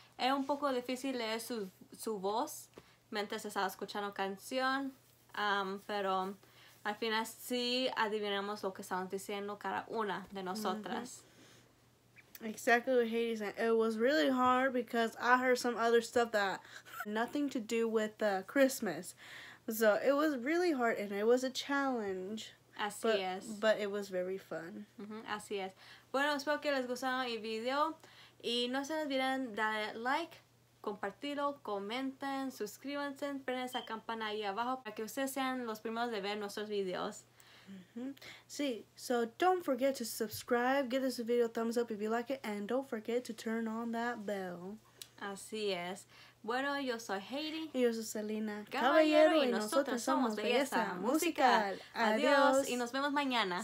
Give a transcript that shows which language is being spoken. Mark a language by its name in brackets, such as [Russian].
[Spanish] Es un poco difícil leer su voz mientras estaba escuchando canción. Pero al final sí adivinamos lo que estamos diciendo cada una de nosotras. Mm-hmm. [English] Exactly what Haiti said. It was really hard because I heard some other stuff that nothing to do with Christmas. So it was really hard and it was a challenge. [Spanish] Así [English] but, [Spanish] es. [English] But it was very fun. [Spanish] Mm-hmm. Así es. Bueno, espero que les gustó el video. Y no se olviden darle like, compartirlo, comenten, suscríbanse, prenden esa campana ahí abajo para que ustedes sean los primeros de ver nuestros videos. Mm-hmm. [English] See, so don't forget to subscribe, give this video a thumbs up if you like it, and don't forget to turn on that bell. [Spanish] Así es. Bueno, yo soy Heidi. Y yo soy Selena. Caballero, y nosotros somos belleza musical. Adiós. Y nos vemos mañana.